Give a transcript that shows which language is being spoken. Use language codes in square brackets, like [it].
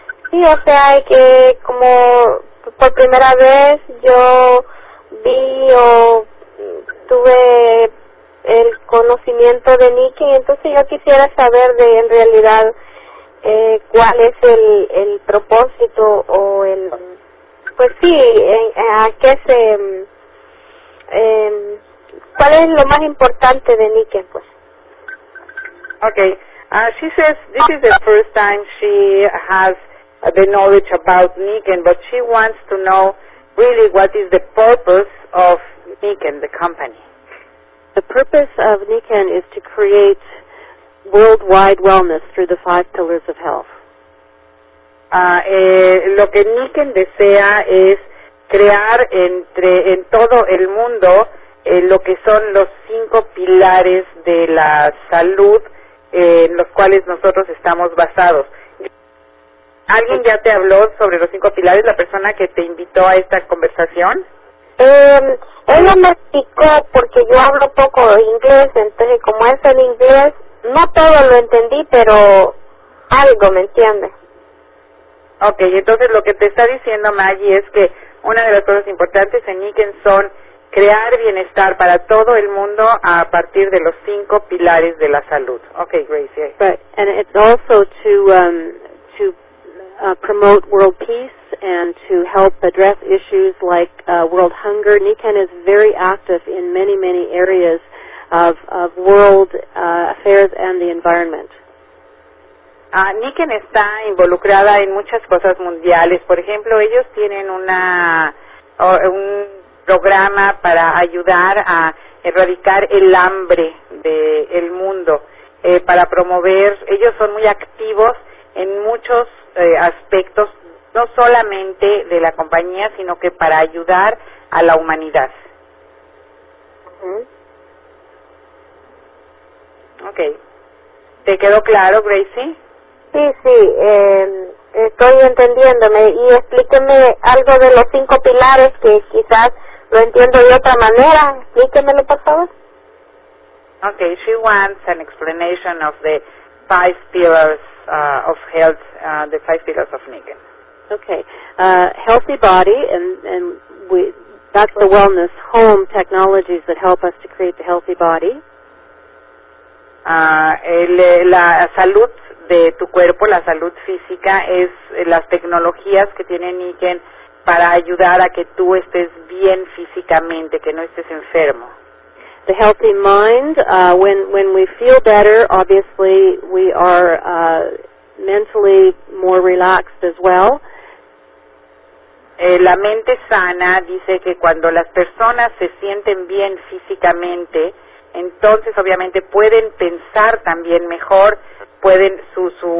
[es] Sí, o sea, que como por primera vez yo vi tuve el conocimiento de Níquel, entonces yo quisiera saber de en realidad cuál es el propósito o el, pues sí, a qué se, cuál es lo más importante de Níquel, pues. [en] Okay, she says this is the first time she has the knowledge about Níquel, but she wants to know really what is the purpose of Níquel, the company. The purpose of Níquel is to create worldwide wellness through the five pillars of health. [es] Lo que Níquel desea es crear en todo el mundo lo que son los cinco pilares de la salud en los cuales nosotros estamos basados. ¿Alguien ya te habló sobre los cinco pilares, la persona que te invitó a esta conversación? Él me explicó porque yo hablo poco inglés, entonces como es en inglés, no todo lo entendí, pero algo, ¿me entiende? Okay, entonces lo que te está diciendo Maggie es que una de las cosas importantes en Níquel son crear bienestar para todo el mundo a partir de los cinco pilares de la salud. Okay, Gracie. [en] But and it's also to promote world peace and to help address issues like world hunger. Níquel is very active in many, many areas of world affairs and the environment. [es] Níquel está involucrada en muchas cosas mundiales. Por ejemplo, ellos tienen un programa para ayudar a erradicar el hambre del mundo, para promover, ellos son muy activos en muchos aspectos, no solamente de la compañía, sino que para ayudar a la humanidad. Uh-huh. Okay. ¿Te quedó claro, Gracie? Sí, estoy entendiéndome. Y explíqueme algo de los cinco pilares, que quizás lo entiendo de otra manera. Explíquemelo, por favor. [en] Okay, she wants an explanation of the five pillars of health, the five pillars of Níquel. Okay, healthy body, and we, that's the wellness home technologies that help us to create the healthy body. [es] La salud de tu cuerpo, la salud física, es las tecnologías que tiene Níquel para ayudar a que tú estés bien físicamente, que no estés enfermo. [en] The healthy mind, when we feel better, obviously we are mentally more relaxed as well. [es] La mente sana dice que cuando las personas se sienten bien físicamente, entonces obviamente pueden pensar también mejor, pueden su